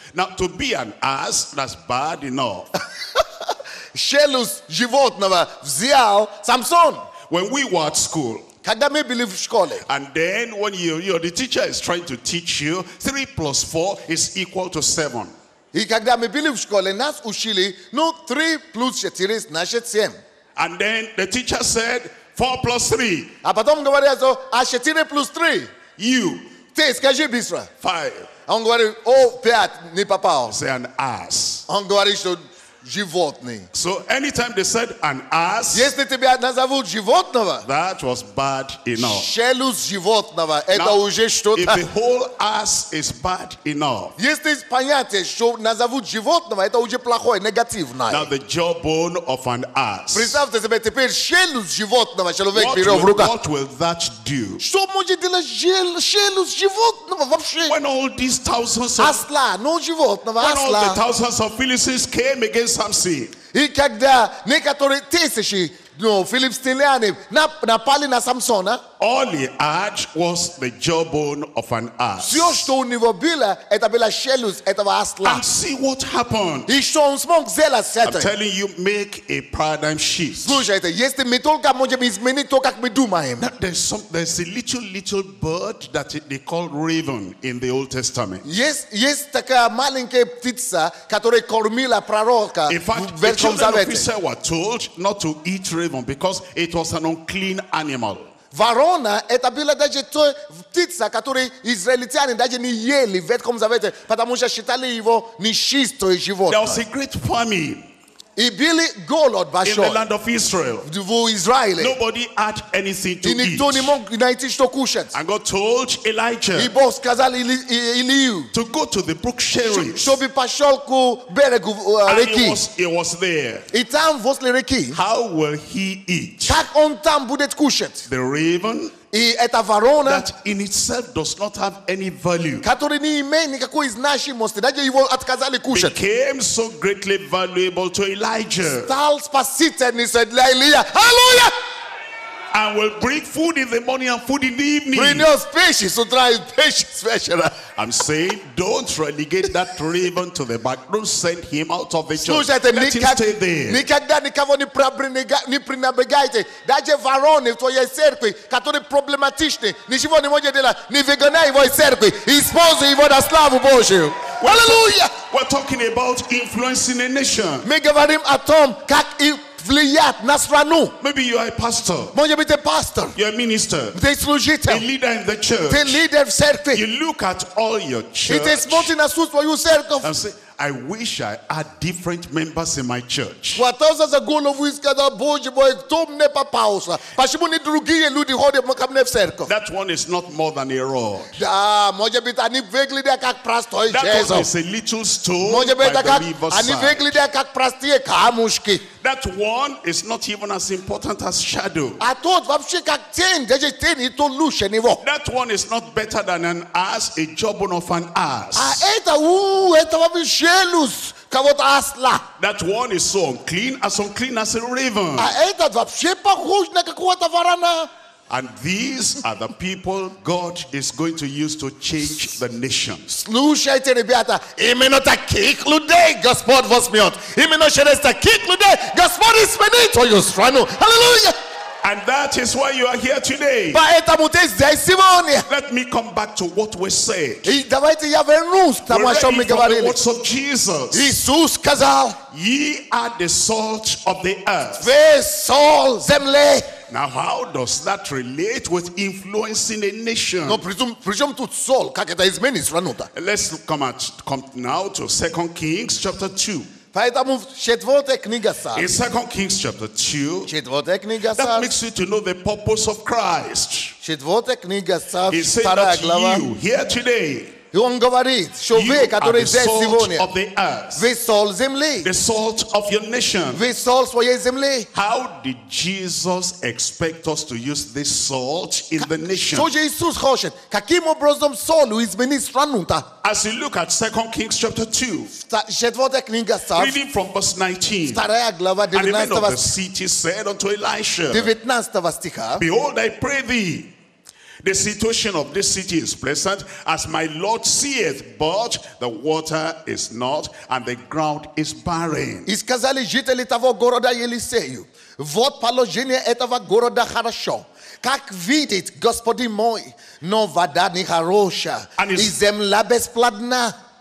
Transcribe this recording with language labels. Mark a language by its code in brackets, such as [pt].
[en] Now, to be an ass, that's bad enough. [ru] Челюсть животного взял Samson. [en] When we were at school. [ru] Когда мы были в школе. [en] And then, when the teacher is trying to teach you, 3 + 4 is equal to 7. [ru] И когда мы были в школе, нас учили, 3 + 4 значит 7. [en] And then, the teacher said, 4 + 3. [ru] А потом говорили, что, 4 + 3. [en] You. [ru] Ты, скажи быстро. [en] 5. [ru] Он говорит, пять, не попал. [en] Say an ass. [ru] Он говорит, что животный. [en] So anytime they said an ass. [ru] Если тебя назовут животного. [en] That was bad enough. [ru] Челюсть животного. Это уже что-то. [en] If the whole ass is bad enough. [ru] Если понятие, что назовут животного, это уже плохое, негативное. [en] Now the jawbone of an ass. [ru] Представьте себе теперь челюсть животного, человек берет в руках. [en] What will that do? [ru] Что может делать челюсть животного вообще? [en] When all these thousands of. [ru] Асла, животного, асла. [en] When all the thousands of Philistines came again. [ru] И когда некоторые тысячи филистимлян напали на Самсона. [en] All he had was the jawbone of an ass. [ru] Все, что у него было, это была челюсть этого осла. [en] And see what happened. [ru] И что он смог сделать с этим? [en] I'm telling you, make a paradigm shift. [ru] Слушайте, если мы только можем изменить то, как мы думаем. [en] That there's a little bird that they call raven in the Old Testament. [ru] Есть такая маленькая птица, которая кормила пророка. [en] In fact, the children of Israel were told not to eat raven because it was an unclean animal. [ru] Ворона, это была даже та птица, которую израильтяне даже не ели в Ветхом Завете, потому что считали его нечистое животное. [en] There was a great famine. [ru] И был голод большой. [en] In the land of Israel. [ru] В Израиле. [en] Nobody had anything to eat. [ru] И никто не мог найти что кушать. [en] And God told Elijah. [ru] И Бог сказал Илию. [en] To go to the brook Cherith. [ru] Чтобы пошел к берегу реки. [en] And he was there. [ru] И там возле реки. [en] How will he eat? [ru] Как он там будет кушать? [en] The raven. [ru] И эта ворона. [en] That in itself does not have any value. [ru] Который не имеет никакой значимости, даже его отказали кушать. [en] Became so greatly valuable to Elijah. [ru] Стал спасительный для Илия. Аллилуйя! [en] And will bring food in the morning and food in the evening. [ru] Принес пищу с утра и пищу с вечера. [en] I'm saying, don't relegate that raven to the back. Don't send him out of the church. [ru] Слушайте, [en] let him stay there. [ru] Никогда никого не пренебрегайте. Даже вороны в твоей церкви, которые проблематичны, ничего не можете делать. Не выгоняй его из церкви. Используй его на славу Божию. Аллилуйя! [en] We're talking about influencing a nation. [ru] Мы говорим о том, как влиять на страну. [en] Maybe you are a pastor. [ru] Может быть, ты пастор. [en] You're a minister. [ru] Ты служитель. [en] A leader in the church. [ru] Ты лидер в церкви. [en] You look at all your church. [ru] И ты смотришь на всю твою церковь. [en] And say, I wish I had different members in my church. [ru] Ватоза за голову и сказал, Боже мой, кто мне попался? Почему не другие люди ходят ко мне в церковь? [en] That one is not more than a rod. [ru] Да, может быть, они выглядят как простой [en] Jesus. That one is a little stone by the river side. [ru] Они выглядят как простые камушки. [en] That one is not even as important as shadow. [ru] А тот вообще как тень, даже тень, и то лучше него. [en] That one is not better than an ass, a jawbone of an ass. [ru] А это вообще челюсть кого-то осла. [en] That one is so unclean as a raven. [ru] А этот вообще похож на какого-то ворона. [en] And these are the people God is going to use to change the nation. [ru] Слушайте, ребята, именно таких людей Господь возьмет. Именно через таких людей Господь изменит твою страну. Аллилуйя! [en] And that is why you are here today. [ru] Поэтому ты здесь сегодня. [en] Let me come back to what we said. [ru] И давайте я вернусь к тому, о чем мы говорили. [en] The words of Jesus. [ru] Иисус сказал, [en] ye are the salt of the earth. [ru] Вы соль земли. [en] Now how does that relate with influencing a nation? [ru] Но причем тут соль, как это изменит страну-то? [en] Let's come now to 2 Kings chapter 2. [ru] Поэтому четвертая книга Царств. [en] In 2 Kings chapter 2. [ru] Четвертая книга Царств. [en] That makes you to know the purpose of Christ. [ru] Четвертая книга Царств, вторая глава. [en] You here today. [ru] И он говорит, что вы, которые здесь сегодня, [en] of the earth, [ru] вы соль земли. [en] The salt of your nation. [ru] Вы соль своей земли. [en] How did Jesus expect us to use this salt in the nation? [ru] Что же Иисус хочет? Каким образом соль изменит страну-то? [en] As you look at 2 Kings chapter 2, [ru] четвертая книга Царств, [en] reading from verse 19, [ru] вторая глава, 19 стиха, [en] and the man of the city said unto Elisha, [ru] 19 стиха, [en] behold, I pray thee, the situation of this city is pleasant, as my Lord seeth, but the water is not, and the ground is barren. [ru] И сказали жители того города Елисею, вот положение этого города хорошо, как видит Господи мой, но вода не хорошая, и земля бесплодна.